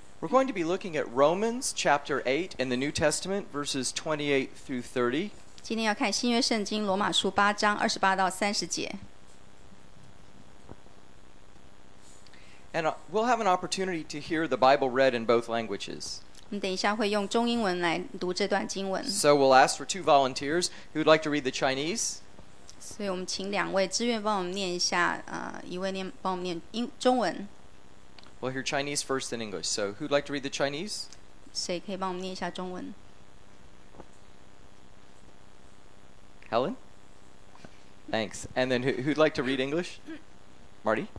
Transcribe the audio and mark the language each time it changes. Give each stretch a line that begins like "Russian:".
English: We're going to be looking at Romans chapter 8 in the New Testament, verses 28 through 30.
Chinese: 今天要看新约圣经罗马书八章二十八到三十节。
English: And we'll have an opportunity to hear the Bible read in both languages.
Chinese: 我们等一下会用中英文来读这段经文。
English: So we'll ask for two volunteers who would like to read the Chinese.
Chinese: 所以我们请两位志愿帮我们念一下，一位念帮我们念英中文。
English: We'll hear Chinese first in English. So, who'd like to read the Chinese?
Chinese: 谁可以帮我们念一下中文？
English: Helen? Thanks. And then who'd like to read English? Marty?